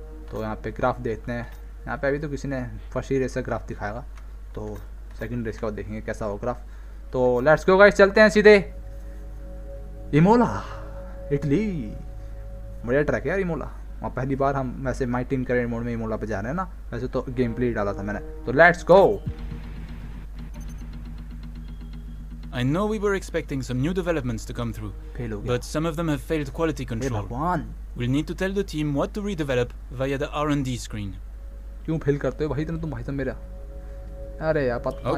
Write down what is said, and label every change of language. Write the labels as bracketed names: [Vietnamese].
[Hindi] तो यहाँ पे ग्राफ देखते हैं, यहाँ पे अभी तो किसी ने फर्स्ट ही रेस का ग्राफ दिखाएगा, तो सेकंड रेस का देखेंगे कैसा हो ग्राफ। तो [English] let's go guys, [Hindi] चलते हैं सीधे इमोला इटली, बढ़िया ट्रैक है यार इमोला, वहाँ पहली बार हम वैसे माई टीम करियर मोड में इमोला पे जा रहे हैं ना, वैसे तो गेम प्ले ही डाला था मैंने, तो let's go. [English] I know we were expecting some new developments to come through, [Hindi] fail हो [English] but [Hindi] गया [English] some of them have failed quality [Hindi] hey [English] control. [Hindi] भगवान, [English] We'll need to tell the team what to redevelop via the R&D screen. [Hindi] क्यों fail करते हो भाई इतना तुम, भाई साहब मेरा, अरे यार पता, [English] I hope